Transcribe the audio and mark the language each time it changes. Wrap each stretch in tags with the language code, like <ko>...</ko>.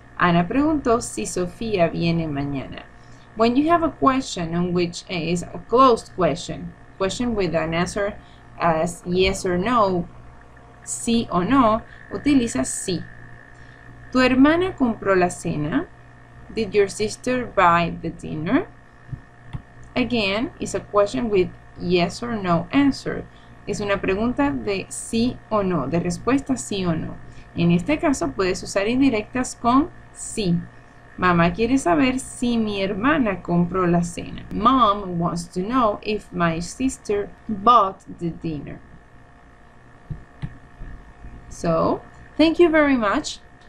<es>Ana preguntó si Sofía viene mañana.</es> <en>When you have a question in which is a closed question, question with an answer as yes or no,</en> <es>sí o no, utiliza sí. ¿Tu hermana compró la cena?</es> <en>Did your sister buy the dinner? Again, it's a question with yes or no answer.</en> <es>Es una pregunta de sí o no, de respuesta sí o no. En este caso, puedes usar indirectas con sí. Mamá quiere saber si mi hermana compró la cena.</es> <en>Mom wants to know if my sister bought the dinner. So, thank you very much.</en>